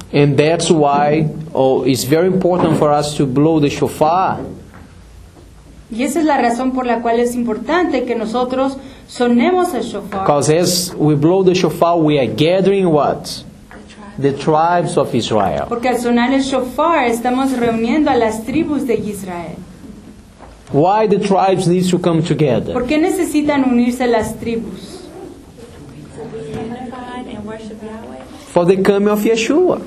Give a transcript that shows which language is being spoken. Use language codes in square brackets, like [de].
[en] And that's why it's very important for us to blow the shofar. [es] Y esa es la razón por la cual es importante que nosotros sonemos el shofar. [en] Because as we blow the shofar, we are gathering what? The tribes. the tribes of Israel. [es] Porque al sonar el shofar estamos reuniendo a las tribus de Israel. [en] Why the tribes need to come together? [es] ¿Por qué necesitan unirse las tribus? [en] For the coming of Yeshua.